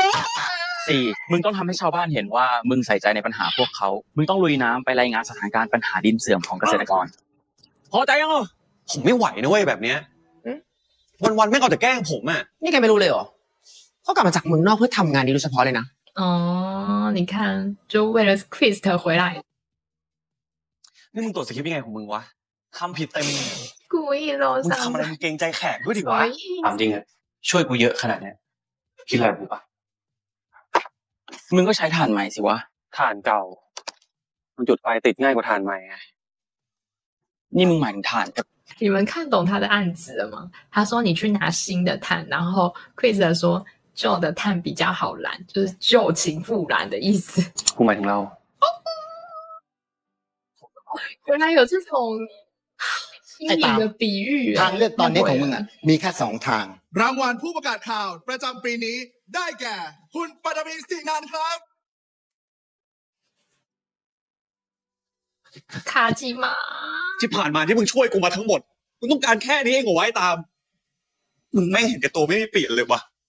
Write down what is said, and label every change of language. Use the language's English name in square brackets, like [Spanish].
[Thai] สี่มึงต้องทำให้ชาวบ้านเห็นว่ามึงใส่ใจในปัญหาพวกเขามึงต้องลุยน้ำไปรายงานสถานการณ์ปัญหาดินเสื่อมของเกษตรกร พอใจยัง ผมไม่ไหวนะเว้ยแบบเนี้ยวันๆแม่งเอาแต่แกล้งผมอ่ะ นี่แกไม่รู้เลยเหรอเขากลับมาจากเมืองนอกเพื่อทำงานดีโดยเฉพาะเลยนะ อ๋อนี่ [Chinese] 看就为了 quiz 他回来 [Thai] นี่มึงตรวจสคริปต์ยังไงของมึงวะทำผิดเต็ม กูอีโ รสมึงทำอะไรมึงเกรงใจแขกด้วยดิวะ ถามจริงอ่ะช่วยกูเยอะขนาดเนี้ยคิดอะไรกูปะ มึงก็ใช้ถ่านใหม่สิวะ ถ่านเก่ามันจุดไฟติดง่ายกว่าถ่านใหม่ไง นี่มึงหมายถึงถ่านกับ [Chinese] 你们看懂他的案子了吗？他说你去拿新的碳，然后 Chris 说旧的碳比较好燃，就是旧情复燃的意思。我买停了。原来有这种心理的比喻。 [Thai] ทางเลือกตอนนี้ของมึงอ่ะมีแค่สองทาง。 รางวัลผู้ประกาศข่าวประจำปีนี้ได้แก่คุณปฐมศรีนันท์ครับ。 คาจิมะ ที่ผ่านมาที่มึงช่วยกูมาทั้งหมดมึงต้องการแค่นี้เองเหรอไว้ตามมึงไม่เห็นแก่ตัวไม่เปลี่ยนเลยวะ